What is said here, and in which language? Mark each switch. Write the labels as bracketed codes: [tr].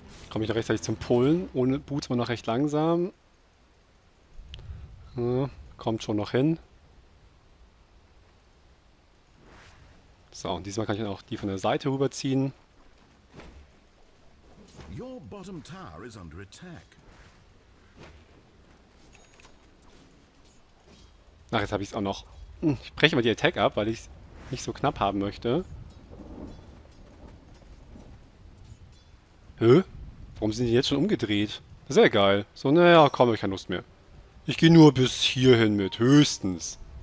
[de] Komme ich noch rechtzeitig zum Pullen. Ohne Boots war noch recht langsam. Ja, kommt schon noch hin. So, und diesmal kann ich dann auch die von der Seite rüberziehen. [en] Your bottom tower is under attack. [de] Ach, jetzt habe ich es auch noch. Ich breche mal die Attack ab, weil ich es nicht so knapp haben möchte. Hä? Warum sind die jetzt schon umgedreht? Sehr geil. So, naja, komm, ich habe keine Lust mehr. Ich gehe nur bis hierhin mit, höchstens.